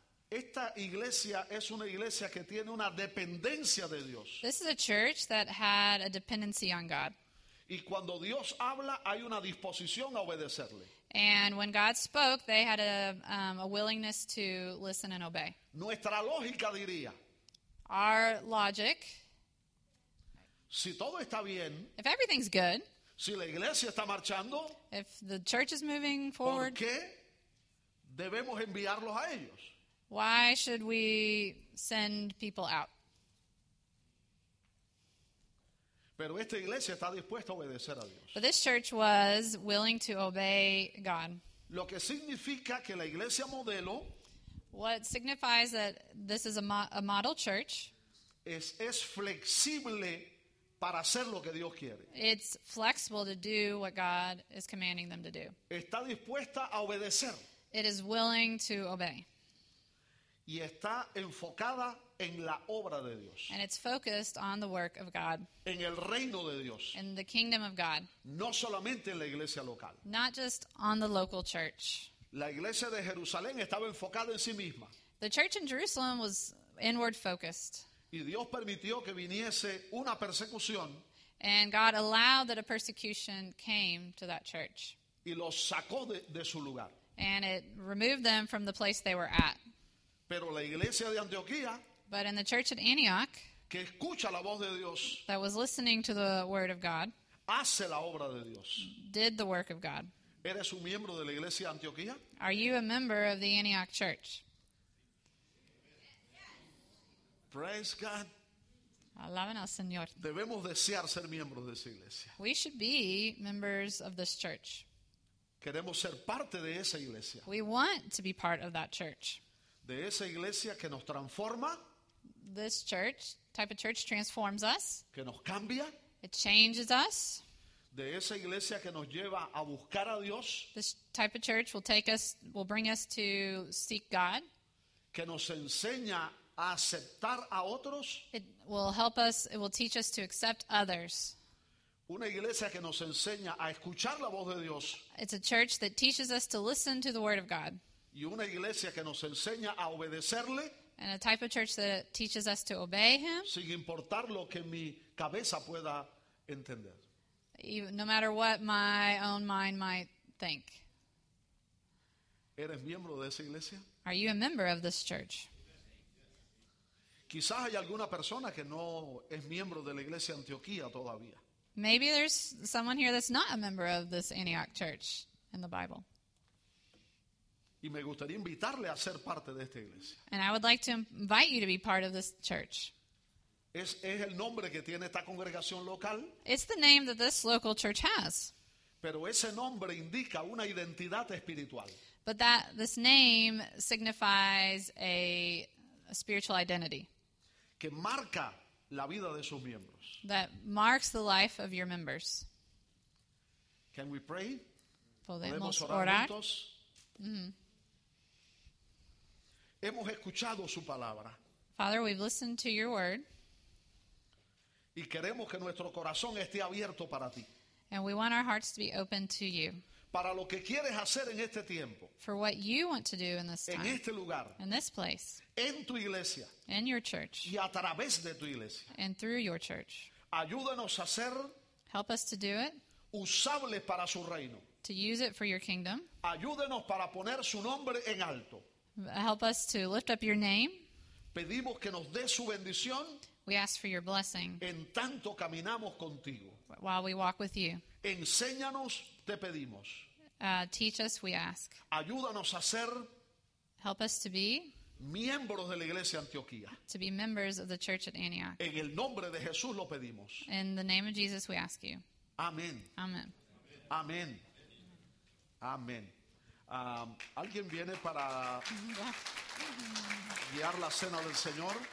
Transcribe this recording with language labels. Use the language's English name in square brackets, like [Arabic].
[Spanish] Esta iglesia es una iglesia que tiene una dependencia de Dios. [English] This is a church that had a dependency on God. [Spanish] Y cuando Dios habla, hay una disposición a obedecerle. [English] And when God spoke, they had a willingness to listen and obey. [Spanish] Nuestra lógica diría. [English] Our logic. [Spanish] Si todo está bien. [English] If everything's good. [Spanish] Si la iglesia está marchando. [English] If the church is moving forward. [Spanish] ¿Por qué debemos enviarlos a ellos? [English] Why should we send people out? [Spanish] Pero esta iglesia está dispuesta a obedecer a Dios. [English] But this church was willing to obey God. [Spanish] Lo que significa que la iglesia modelo, [English] what signifies that this is a model church, [Spanish] es flexible para hacer lo que Dios quiere. [English] It's flexible to do what God is commanding them to do. [Spanish] Está dispuesta a obedecer. [English] It is willing to obey. [Spanish] Y está enfocada en la obra de Dios. [English] And it's focused on the work of God. [Spanish] En el reino de Dios. [English] In the kingdom of God. [Spanish] No solamente en la iglesia local. [English] Not just on the local church. [Spanish] La iglesia de Jerusalén estaba enfocada en sí misma. [English] The church in Jerusalem was inward focused. [Spanish] Y Dios permitió que viniese una persecución. [English] And God allowed that a persecution came to that church. [Spanish] Y los sacó de su lugar. [English] And it removed them from the place they were at. [Spanish] Pero la iglesia de Antioquía, [English] but in the church at Antioch, [Spanish] que escucha la voz de Dios, [English] that was listening to the word of God, [Spanish] hace la obra de Dios. [English] Did the work of God. [Spanish] ¿Eres un miembro de la iglesia de Antioquía? [English] Are you a member of the Antioch church? Praise God. [Spanish] Alaben al Señor. Debemos desear ser miembros de esa iglesia. [English] We should be members of this church. [Spanish] Queremos ser parte de esa iglesia. [English] We want to be part of that church. [Spanish] De esa iglesia que nos transforma. [English] This church, type of church transforms us. [Spanish] Que nos cambia. [English] It changes us. [Spanish] De esa iglesia que nos lleva a buscar a Dios. [English] This type of church will bring us to seek God. [Spanish] Que nos enseña a aceptar a otros. [English] It will teach us to accept others. [Spanish] Una iglesia que nos enseña a escuchar la voz de Dios. [English] It's a church that teaches us to listen to the word of God. [Spanish] Y una iglesia que nos enseña a obedecerle. [English] And a type of church that teaches us to obey him. [Spanish] Sin importar lo que mi cabeza pueda entender. [English] No matter what my own mind might think. [Spanish] ¿Eres miembro de esa iglesia? [English] Are you a member of this church? [Spanish] Quizás hay alguna persona que no es miembro de la iglesia Antioquía todavía. [English] Maybe there's someone here that's not a member of this Antioch church in the Bible. [Spanish] Y me gustaría invitarle a ser parte de esta iglesia. [English] And I would like to invite you to be part of this church. [Spanish] Es el nombre que tiene esta congregación local. [English] It's the name that this local church has. [Spanish] Pero ese nombre indica una identidad espiritual. [English] But that this name signifies a spiritual identity. [Spanish] Que marca la vida de sus miembros. [English] That marks the life of your members. Can we pray? [Spanish] Podemos orar. Juntos? Hemos escuchado su palabra. [English] Father, we've listened to your word. [Spanish] Y queremos que nuestro corazón esté abierto para ti. [English] And we want our hearts to be open to you. [Spanish] Para lo que quieres hacer en este tiempo. [English] For what you want to do in this time. [Spanish] En este lugar. [English] In this place. [Spanish] En tu iglesia. [English] In your church. [Spanish] Y a través de tu iglesia. [English] And through your church. [Spanish] Ayúdanos a hacer. [English] Help us to do it. [Spanish] Usable para su reino. [English] To use it for your kingdom. [Spanish] Ayúdenos para poner su nombre en alto. [English] Help us to lift up your name. [Spanish] Pedimos que nos dé su bendición. [English] We ask for your blessing. [Spanish] En tanto caminamos contigo. [English] While we walk with you. [Spanish] Enséñanos, te pedimos. [English] Teach us, we ask. [Spanish] Ayúdanos a ser. [English] Help us to be. [Spanish] Miembros de la iglesia de Antioquía. [English] To be members of the church at Antioch. [Spanish] En el nombre de Jesús lo pedimos. [English] In the name of Jesus, we ask you. [Spanish] Amén. Amén. Amén. Amén. ¿Alguien viene para guiar la cena del Señor?